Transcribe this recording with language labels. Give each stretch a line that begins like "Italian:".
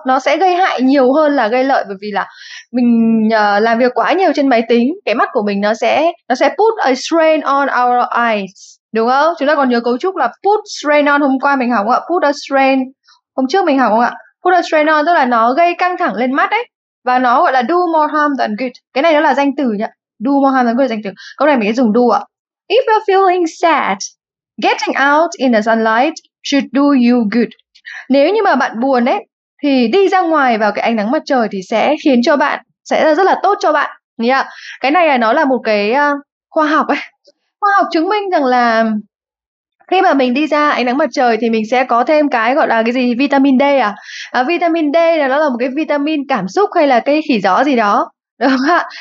Vietnamese: Nó sẽ gây hại nhiều hơn là gây lợi, bởi vì là mình làm việc quá nhiều trên máy tính, cái mắt của mình nó sẽ
English: put a strain on our eyes,
Vietnamese: đúng không? Chúng ta còn nhớ cấu trúc là
English: put strain on
Vietnamese: hôm qua mình học không ạ?
English: Put a strain
Vietnamese: hôm trước mình học không ạ?
English: Put a strain on
Vietnamese: tức là nó gây căng thẳng lên mắt đấy, và nó gọi là
English: do more harm than good.
Vietnamese: Cái này nó là danh từ nhá.
English: Do more harm than good
Vietnamese: là danh từ. Câu này mình sẽ dùng do ạ.
English: If you're feeling sad, getting out in the sunlight should do you good.
Vietnamese: Nếu như mà bạn buồn đấy thì đi ra ngoài vào cái ánh nắng mặt trời thì sẽ khiến cho bạn sẽ là rất là tốt cho bạn nhỉ. Cái này là nó là một cái khoa học ấy, khoa học chứng minh rằng là khi mà mình đi ra ánh nắng mặt trời thì mình sẽ có thêm cái gọi là cái gì, vitamin D à, vitamin D là nó là một cái vitamin cảm xúc hay là cây khỉ gió gì đó, đúng không ạ?